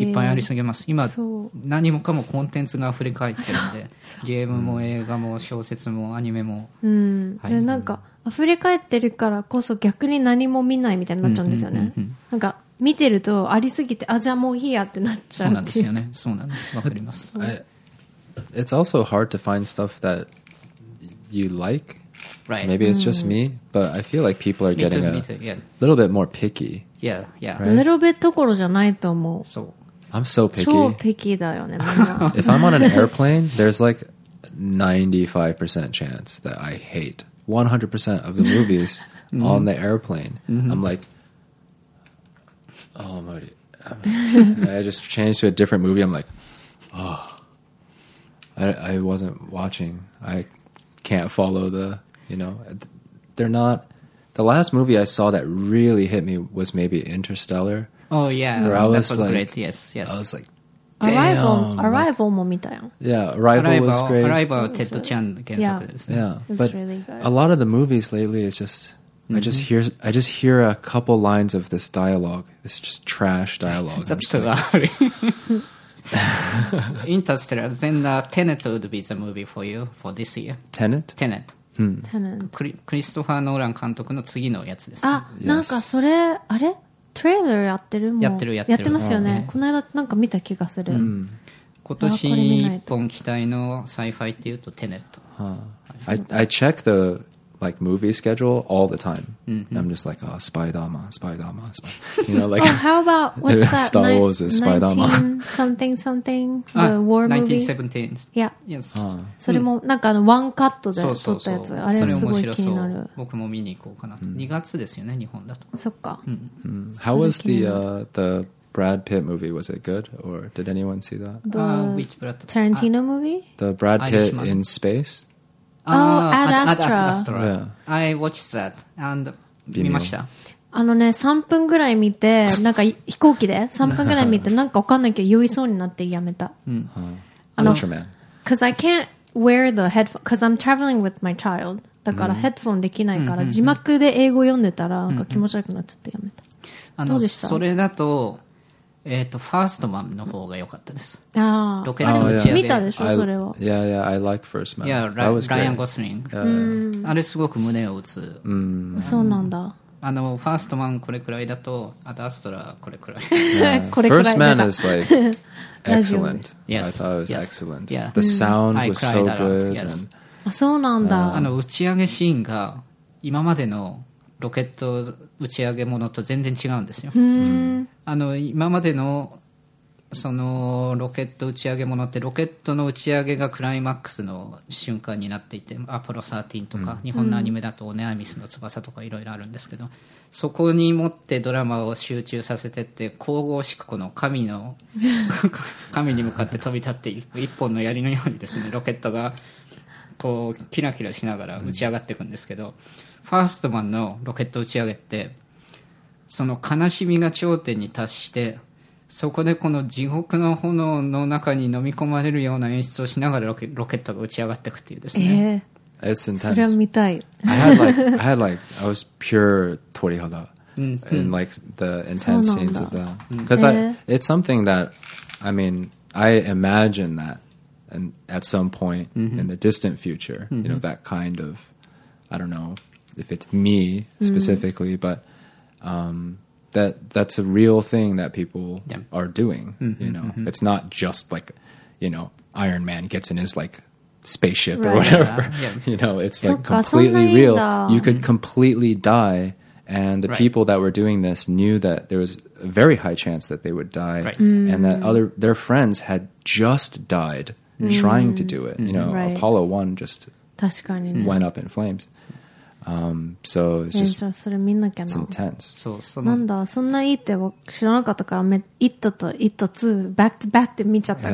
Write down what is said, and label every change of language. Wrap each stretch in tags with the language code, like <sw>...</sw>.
<ja>いっぱいありすぎます。今何もかもコンテンツがあふれ返ってるんで、ゲームも映画も小説もアニメも、はい、なんかあふれ返ってるからこそ逆に何も見ないみたいになっちゃうんですよね、なんか見てるとありすぎて、あ、じゃあもういいやってなっちゃう。そうなんですよね、そうなんです、わかります。</ja> <en>It's also hard to find stuff that you like. Right. Maybe it's just me, but I feel like people are getting too, a little bit more picky. Yeah, yeah. Right? Little bit</en> <ja>ところじゃないと思う。</ja> <en>So, I'm so picky.</en> <ja>超 picky だよね、みんな。</ja> <en>If I'm on an airplane, there's like 95% chance that I hate 100% of the movies on the airplane. I'm like,Oh, Marty. I just changed to a different movie. I'm like, oh, I wasn't watching. I can't follow the, you know, they're not. The last movie I saw that really hit me was maybe Interstellar. Oh, yeah. That was like, great. Yes, yes. I was like, damn. Arrival.</en> <ja>Arrival も見たよ。</ja> <en>Yeah, Arrival was great. Arrival, Ted Chan. Yeah, but a lot of the movies lately is just. I just hear a couple lines of this dialogue. It's just trash dialogue. That's too loud. Interstellar. Then Tenet would be the movie for you for this year. Tenet. Tenet.</en> <ja>Christopher Nolan 監督の次のやつです。あ、なんかそれあれ？トレーラーやってる？やってる、やってる。やってますよね。この間なんか見た気がする。今年一本期待のサイファイっていうとTenet。</ja> <en>I check the like movie schedule all the time. Mm-hmm. I'm just like, oh, Spy-Dama, Spy-Dama, Spy-Dama. You know, like, oh, how about what's that? Star Wars is Spy-Dama. Something, something. The war movie. 1917. Yeah. Yes.</en> <ja>それもなんかワンカットで撮ったやつ。あれすごい気になる。僕も見に行こうかな。2月ですよね、日本だと。そっか。</ja> <en>How was the Brad Pitt movie? Was it good? Or did anyone see that? The which Brad Pitt? Tarantino movie? The Brad Pitt in space? Ad Astra. Yeah. I watched that and</en> <ja>見ました。あのね、3分ぐらい見て、なんか飛行機で3分ぐらい見て、なんかわかんないけど酔いそうになってやめた。うん。Ultraman.</ja> <en>Because I can't wear the headphone because I'm traveling with my child.</en> <ja>だからヘッドフォンできないから、字幕で英語読んでたらなんか気持ち悪くなっちゃってやめた。どうでした？それだと、ファーストマンの方が良かったです。ああ、ロケットの中で見たでしょ、それは。いやいや、</ja> <en>I like first man.</en> <ja>ライアン・ゴスリング。あれすごく胸を打つ。そうなんだ。あの、ファーストマンこれくらいだと、アダストラこれくらい。これくらい。</ja> <en>First man is like excellent. Yes. I thought it was excellent. Yeah. The sound was so good.</en> <ja>あ、そうなんだ。あの、打ち上げシーンが今までのロケット打ち上げものと全然違うんですよ。あの今までのそのロケット打ち上げものってロケットの打ち上げがクライマックスの瞬間になっていて、アポロ13とか日本のアニメだとオネアミスの翼とかいろいろあるんですけど、そこに持ってドラマを集中させてって、神々しくこの神の神に向かって飛び立っていく一本の槍のようにですね、ロケットがこうキラキラしながら打ち上がっていくんですけど、ファーストマンのロケット打ち上げってその悲しみが頂点に達して、そこでこの地獄の炎の中に飲み込まれるような演出をしながらロケットが打ち上がっていくっていうですね、</ja> <en>It's intense.</en> <ja>それは見たい。</ja> <en>I had like I was pure 鳥肌 in like the intense scenes of that, because it's something that I mean I imagine that and at some point in the distant future, you know, that kind of, I don't know if it's me specifically, but that's a real thing that people are doing, you know. It's not just like, you know, Iron Man gets in his like spaceship or whatever. You know, it's like completely real. You could completely die, and the people that were doing this knew that there was a very high chance that they would die, and that other their friends had just died trying to do it. You know, Apollo 1 just went up in flames. So it's just</en> <ja>それ見なきゃな。</ja> <en>It's intense.</en> <ja>そう、その、なんだ、そんないいって知らなかったから、It と It 2</ja> <en>back to back</en> <ja>で見ちゃった。</ja>